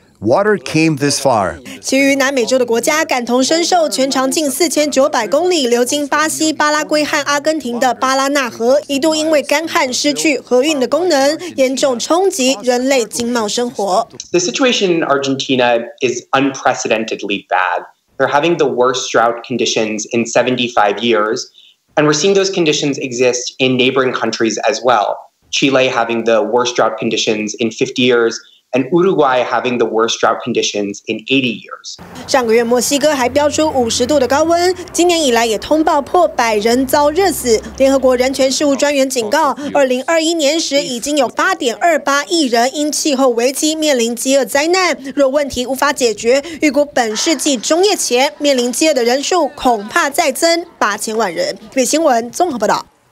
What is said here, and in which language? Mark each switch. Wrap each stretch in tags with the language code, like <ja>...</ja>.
<en>Water came this far.</en> <zh>其余南美洲的国家感同身受，全长近4900公里，流经巴西、巴拉圭和阿根廷的巴拉纳河，一度因为干旱失去河运的功能，严重冲击人类经贸生活。</zh> <en>The situation in Argentina is unprecedentedly bad. They're having the worst drought conditions in 75 years, and we're seeing those conditions exist in neighboring countries as well. Chile having the worst drought conditions in 50 years. And Uruguay having the worst drought conditions in 80 years.</en> <zh>上个月墨西哥还飙出50度的高温，今年以来也通报破百人遭热死。联合国人权事务专员警告，2021年时已经有8.28亿人因气候危机面临饥饿灾难。若问题无法解决，预估本世纪中叶前面临饥饿的人数恐怕再增8000万人。北新闻综合报道。</zh>